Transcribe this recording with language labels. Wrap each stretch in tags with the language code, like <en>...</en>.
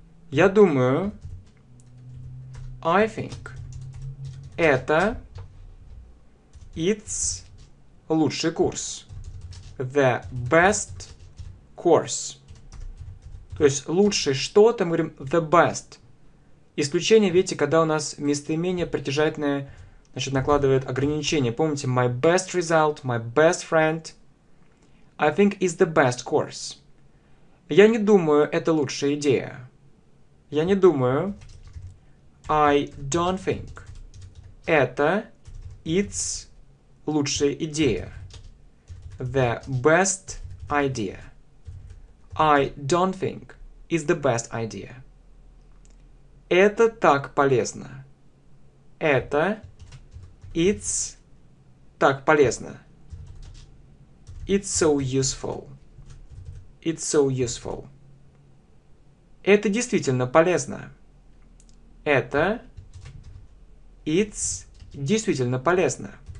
<ru>Я думаю,</ru> <en>I think,</en> <ru>это,</ru> <en>it's,</en> <ru>лучший курс.</ru> <en>The best course.</en> <ru>То есть, лучше что-то, мы говорим</ru> <en>the best.</en> <ru>Исключение, видите, когда у нас местоимение притяжательное, значит, накладывает ограничение. Помните,</ru> <en>my best result, my best friend. I think is the best course.</en> <ru>Я не думаю, это лучшая идея. Я не думаю.</ru> <en>I don't think.</en> <ru>Это,</ru> <en>it's,</en> <ru>лучшая идея.</ru> <en>The best idea. I don't think is the best idea.</en> <ru>Это так полезно. Это,</ru> <en>it's,</en> <ru>так полезно.</ru> <en>It's so useful. It's so useful.</en> <ru>Это действительно полезно. Это,</ru> <en>it's,</en> <ru>действительно полезно.</ru>